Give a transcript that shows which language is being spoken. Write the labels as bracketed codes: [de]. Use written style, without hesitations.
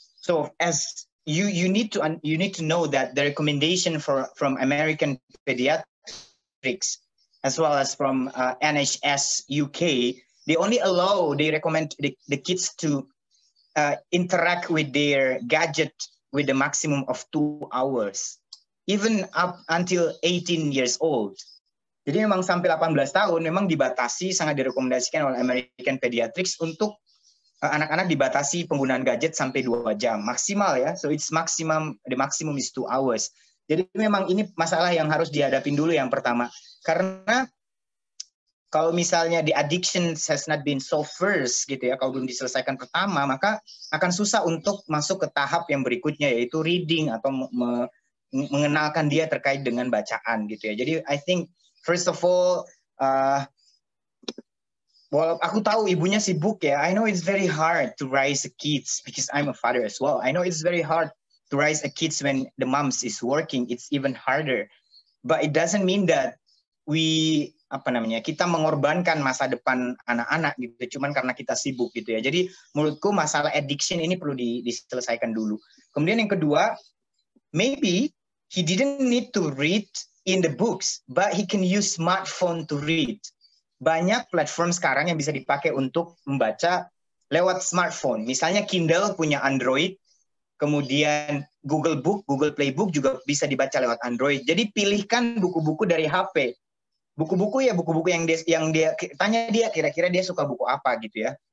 [en] So as you need to know that the recommendation from American pediatrics, as well as from NHS UK, they only allow, they recommend the kids to interact with their gadget with a maximum of 2 hours, even up until 18 years old. [id] Jadi memang sampai 18 tahun memang dibatasi, sangat direkomendasikan oleh American Pediatrics untuk anak-anak dibatasi penggunaan gadget sampai 2 jam maksimal ya. [en] So it's maximum, the maximum is 2 hours. [id] Jadi memang ini masalah yang harus dihadapin dulu yang pertama. Karena kalau misalnya [en] the addiction has not been solved first [id] gitu ya, kalau belum diselesaikan pertama, maka akan susah untuk masuk ke tahap yang berikutnya, yaitu reading atau mengenalkan dia terkait dengan bacaan gitu ya. Jadi [en] I think first of all, [id] walaupun aku tahu ibunya sibuk ya, [en] I know it's very hard to raise kids because I'm a father as well. I know it's very hard to raise a kids when the moms is working, it's even harder. But it doesn't mean that [id] kita mengorbankan masa depan anak-anak gitu, cuman karena kita sibuk gitu ya. Jadi menurutku masalah addiction ini perlu diselesaikan dulu. Kemudian yang kedua, [en] maybe he didn't need to read in the books, but he can use smartphone to read. [id] Banyak platform sekarang yang bisa dipakai untuk membaca lewat smartphone. Misalnya Kindle punya Android, kemudian Google Book, Google Play Book juga bisa dibaca lewat Android. Jadi pilihkan buku-buku dari HP. Buku-buku yang dia tanya dia kira-kira dia suka buku apa gitu ya.